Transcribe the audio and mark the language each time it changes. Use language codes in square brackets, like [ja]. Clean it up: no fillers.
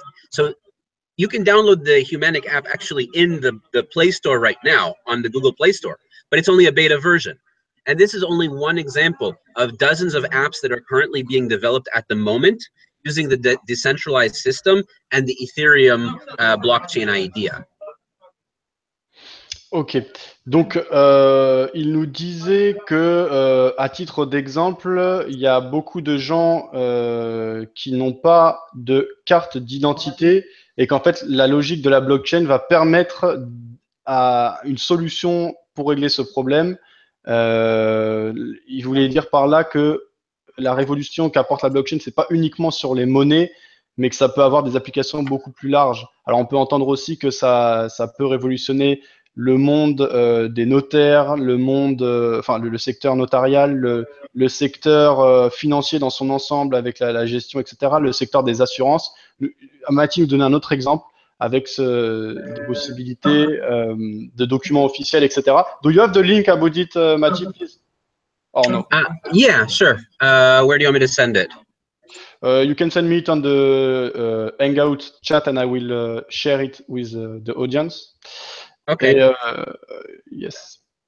[en] So you can download the Humanic app actually in the Play Store right now on the Google Play Store, but it's only a beta version. And this is only one example of dozens of apps that are currently being developed at the moment using the decentralized system and the Ethereum blockchain idea. [fr] Ok, donc il nous disait que, à titre d'exemple, il y a beaucoup de gens qui n'ont pas de carte d'identité et qu'en fait, la logique de la blockchain va permettre à une solution pour régler ce problème. Il voulait dire par là que la révolution qu'apporte la blockchain, ce n'est pas uniquement sur les monnaies, mais que ça peut avoir des applications beaucoup plus larges. Alors, on peut entendre aussi que ça peut révolutionner le monde des notaires, le monde, enfin le secteur notarial, le secteur financier dans son ensemble avec la gestion, etc., le secteur des assurances. Mathieu, vous donnez un autre exemple avec des possibilités de documents officiels, etc. [en] Do you have the link about it, Mathieu, please? Or no? Yeah, sure. Where do you want me to send it? You can send me it on the Hangout chat and I will share it with the audience. Okay. Yes.